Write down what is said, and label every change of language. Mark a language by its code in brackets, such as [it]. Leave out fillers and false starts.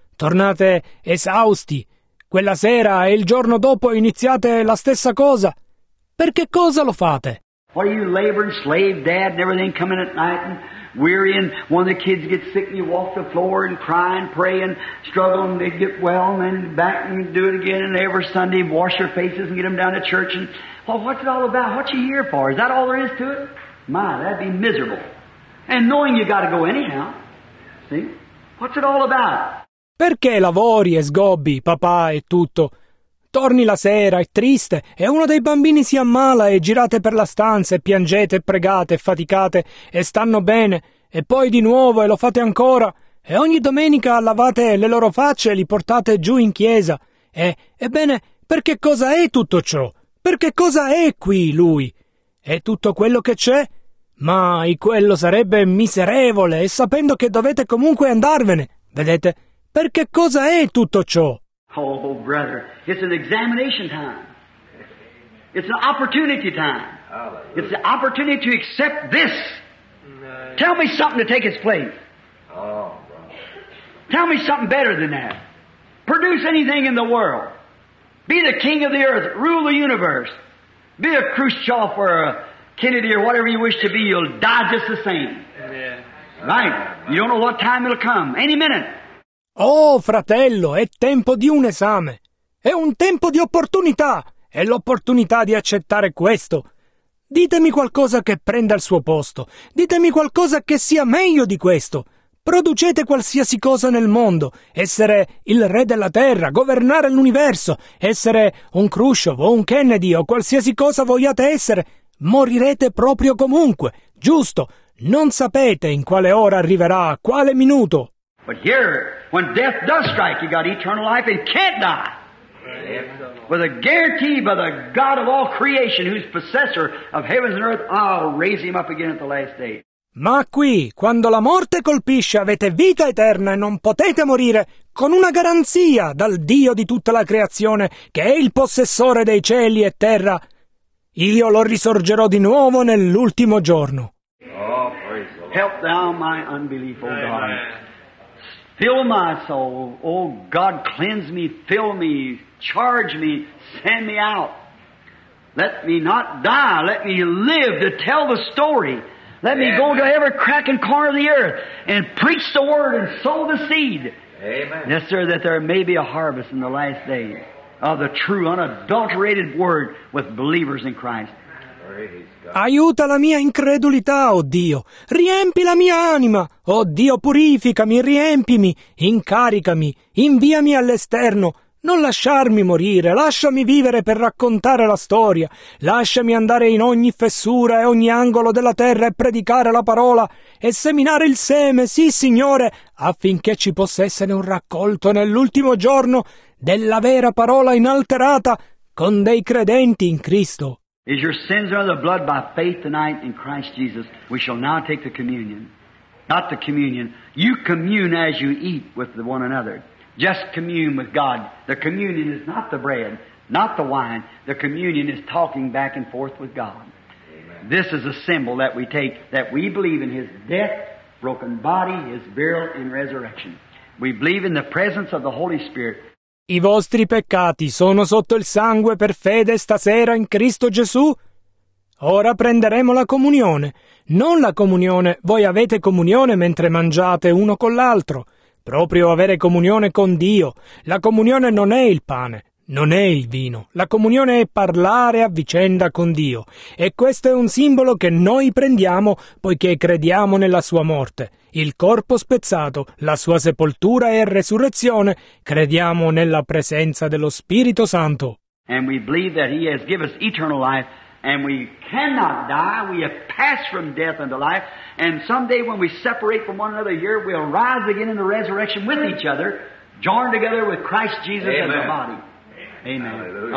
[it] Tornate esausti. Quella sera e il giorno dopo iniziate la stessa cosa. Per che cosa lo fate? [en] What are you laboring, slave, dad, and everything coming at night and weary, and one of the kids gets sick and you walk the floor and cry and pray and struggle and they get well and then back and do it again, and every Sunday wash your faces and get them down to church, and well, what's it all about? What you here for? Is that all there is to it? My, that'd be miserable. And knowing you got to go anyhow, see? What's it all about? [it] Perché lavori e sgobbi, papà, e tutto? Torni la sera, è triste, e uno dei bambini si ammala e girate per la stanza e piangete e pregate e faticate e stanno bene, e poi di nuovo e lo fate ancora, e ogni domenica lavate le loro facce e li portate giù in chiesa. E, ebbene, per che cosa è tutto ciò? Per che cosa è qui lui? È tutto quello che c'è? Ma quello sarebbe miserevole, e sapendo che dovete comunque andarvene, vedete, per che cosa è tutto ciò? [en] Oh, brother, it's an examination time. It's an opportunity time. Hallelujah. It's the opportunity to accept this. Nice. Tell me something to take its place. Oh, brother. Tell me something better than that. Produce anything in the world. Be the king of the earth. Rule the universe. Be a Khrushchev or a Kennedy or whatever you wish to be. You'll die just the same. Yeah. Right? You don't know what time it'll come. Any minute. [it] Oh, fratello, è tempo di un esame. È un tempo di opportunità. È l'opportunità di accettare questo. Ditemi qualcosa che prenda il suo posto. Ditemi qualcosa che sia meglio di questo. Producete qualsiasi cosa nel mondo. Essere il re della terra, governare l'universo, essere un Khrushchev o un Kennedy o qualsiasi cosa vogliate essere. Morirete proprio comunque, giusto? Non sapete in quale ora arriverà, a quale minuto. [en] But here, when death does strike, you got eternal life and can't die. Amen. With a guarantee by the God of all creation, who's possessor of heavens and earth, I'll raise him up again at the last day. [it] Ma qui, quando la morte colpisce, avete vita eterna e non potete morire, con una garanzia dal Dio di tutta la creazione, che è il possessore dei cieli e terra. Io lo risorgerò di nuovo nell'ultimo giorno. [en] Oh, praise the Lord. Help thou my unbelief, O God. Amen. Fill my soul, oh God, cleanse me, fill me, charge me, send me out. Let me not die, let me live to tell the story. Let me go to every crack and corner of the earth and preach the word and sow the seed. Amen. Yes, sir, that there may be a harvest in the last days of the true, unadulterated word with believers in Christ. [it] Aiuta la mia incredulità, oh Dio. Riempi la mia anima. Oh Dio, purificami, riempimi, incaricami, inviami all'esterno. Non lasciarmi morire, lasciami vivere per raccontare la storia. Lasciami andare in ogni fessura e ogni angolo della terra e predicare la parola e seminare il seme, sì, Signore, affinché ci possa essere un raccolto nell'ultimo giorno della vera parola inalterata con dei credenti in Cristo. [en] Is your sins under the blood by faith tonight in Christ Jesus? We shall now take the communion. Not the communion. You commune as you eat with the one another. Just commune with God. The communion is not the bread, not the wine. The communion is talking back and forth with God. Amen. This is a symbol that we take, that we believe in His death, broken body, His burial, and resurrection. We believe in the presence of the Holy Spirit. [it] I vostri peccati sono sotto il sangue per fede stasera in Cristo Gesù? Ora prenderemo la comunione. Non la comunione, voi avete comunione mentre mangiate uno con l'altro. Proprio avere comunione con Dio. La comunione non è il pane, non è il vino. La comunione è parlare a vicenda con Dio. E questo è un simbolo che noi prendiamo poiché crediamo nella sua morte. Il corpo spezzato, la sua sepoltura e resurrezione, crediamo nella presenza dello Spirito Santo. [en] And we believe that He has given us eternal life, and we cannot die. We have passed from death unto life, and someday when we separate from one another here, we'll rise again in the resurrection with each other, joined together with Christ Jesus as a body. Amen. Amen.